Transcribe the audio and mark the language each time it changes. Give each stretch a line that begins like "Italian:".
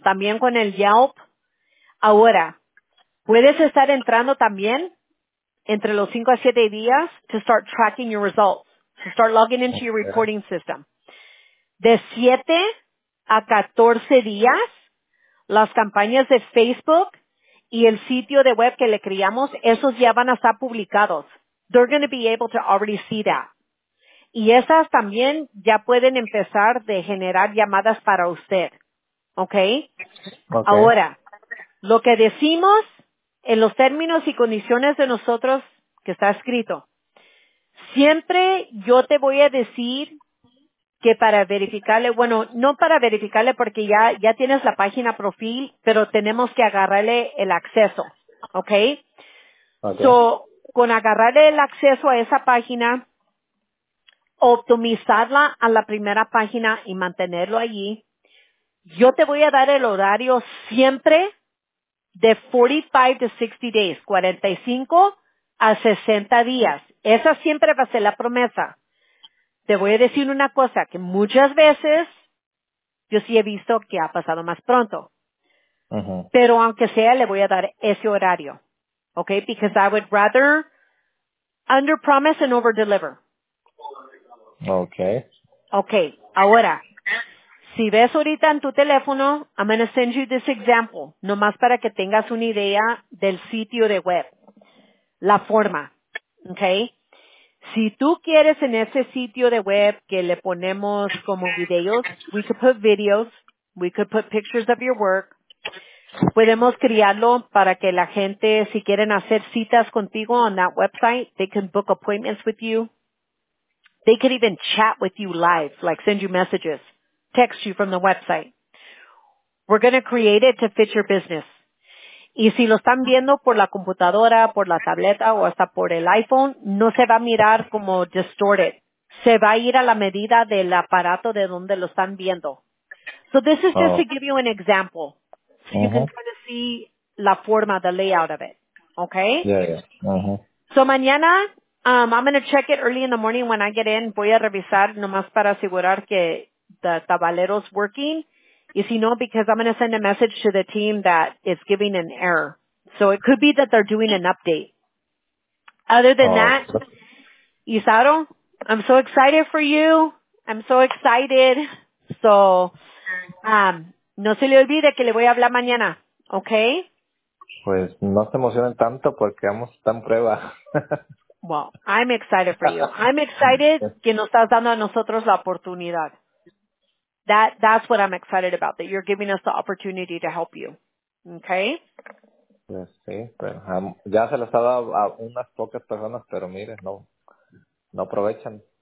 Spanish: También con el Yelp. Ahora, puedes estar entrando también entre los 5 a 7 días
English: to start tracking your results, to start logging into your reporting system.
Spanish: De 7 a 14 días, las campañas de Facebook y el sitio de web que le creamos, esos ya van a estar publicados.
English: They're going to be able to already see that.
Spanish: Y esas también ya pueden empezar de generar llamadas para usted.
English: Okay? Okay.
Spanish: Ahora, lo que decimos en los términos y condiciones de nosotros que está escrito, siempre yo te voy a decir que para verificarle, bueno, no para verificarle porque ya tienes la página profil, pero tenemos que agarrarle el acceso, ¿okay?
English: ¿Ok?
Spanish: So, con agarrarle el acceso a esa página, optimizarla a la primera página y mantenerlo allí. Yo te voy a dar el horario siempre de 45
English: to 60 days,
Spanish: 45 a 60 días. Esa siempre va a ser la promesa. Te voy a decir una cosa, que muchas veces yo sí he visto que ha pasado más pronto. Uh-huh. Pero aunque sea, le voy a dar ese horario.
English: Okay, because I would rather under promise and over deliver. Okay.
Spanish: Okay, ahora, si ves ahorita en tu teléfono,
English: I'm going to send you this example,
Spanish: nomás para que tengas una idea del sitio de web, la forma, okay? Si tú quieres en ese sitio de web que le ponemos como videos,
English: we could put videos, we could put pictures of your work,
Spanish: podemos crearlo para que la gente, si quieren hacer citas contigo
English: on that website, they can book appointments with you. They could even chat with you live, like send you messages, text you from the website. We're going to create it to fit your business.
Spanish: Y si lo están viendo por la computadora, por la tableta o hasta por el iPhone, no se va a mirar como distorted. Se va a ir a la medida del aparato de donde lo están viendo.
English: So this is just to give you an example. So you can kind of see
Spanish: la forma,
English: the layout of it. Okay? Yeah.
Spanish: So mañana...
English: I'm going to check it early in the morning when I get in.
Spanish: Voy a revisar nomás para asegurar que
English: the tabalero's working.
Spanish: Y si no,
English: because I'm going to send a message to the team that it's giving an error. So it could be that they're doing an update. Other than that, Isaro, I'm so excited for you. I'm so excited.
Spanish: So no se le olvide que le voy a hablar mañana, okay? Pues no se emocionen tanto porque vamos a estar en prueba.
English: Well, I'm excited for you. I'm excited
Spanish: que nos estás dando a nosotros la oportunidad.
English: That's what I'm excited about, that you're giving us the opportunity to help you. Okay?
Spanish: Yes, sí, pero ya se lo está dando a unas pocas personas, pero mire, no aprovechan.